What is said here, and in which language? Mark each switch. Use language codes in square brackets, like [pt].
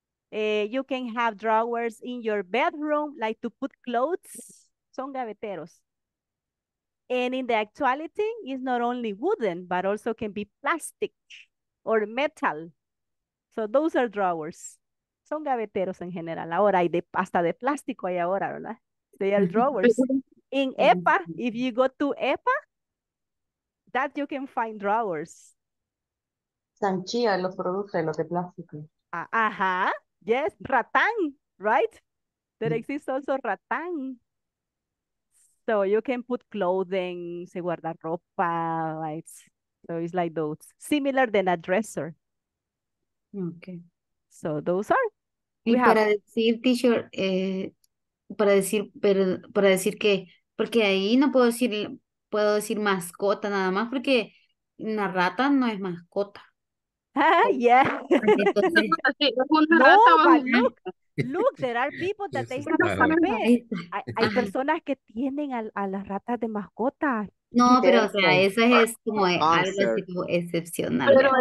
[en] You can have drawers in your bedroom, like to put clothes. [es] Son gaveteros. [en] And in the actuality, it's not only wooden, but also can be plastic or metal. So those are drawers. [es] Son gaveteros en general. Ahora hay hasta de plástico ahí ahora, ¿verdad? [en] They are drawers. In EPA, if you go to EPA, that you can find drawers. [es] Sanchía los produce, los de plástico. [en] Yes, ratán, right? There exists also ratán. So you can put clothing, [es] se guarda ropa, [en] right? So it's like those. Similar than a dresser. Okay. So those are. [es] Para decir que, porque ahí no puedo decir mascota nada más, porque una rata no es mascota. [en] Yeah. [es] Entonces, no, rata, [en] but look, Look, there are people that they have a pet. [es] Hay personas que tienen a las ratas de mascota. No, pero o sea, eso es como algo así como excepcional.